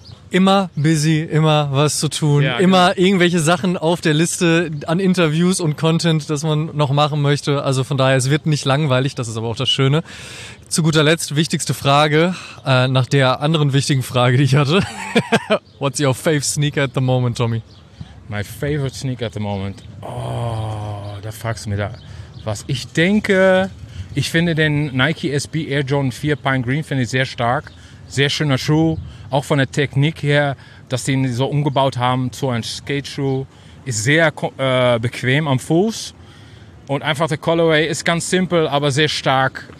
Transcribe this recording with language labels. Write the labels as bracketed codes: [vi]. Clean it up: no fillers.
[de] Immer busy, immer was zu tun, ja, immer genau. Irgendwelche Sachen auf der Liste an Interviews und Content, das man noch machen möchte. Also von daher, es wird nicht langweilig, das ist aber auch das Schöne. Zu guter Letzt, wichtigste Frage, nach der anderen wichtigen Frage, die ich hatte. [en] What's your favorite sneaker at the moment, Tommy? My favorite sneaker at the moment? [de] Oh, da fragst du mich da was. Ich denke... Ich finde den Nike SB Air Jordan 4 Pine Green finde ich sehr stark. Sehr schöner Schuh. Auch von der Technik her, dass die ihn so umgebaut haben zu einem Skate-Schuh. Ist sehr bequem am Fuß. Und einfach der Colorway ist ganz simpel, aber sehr stark.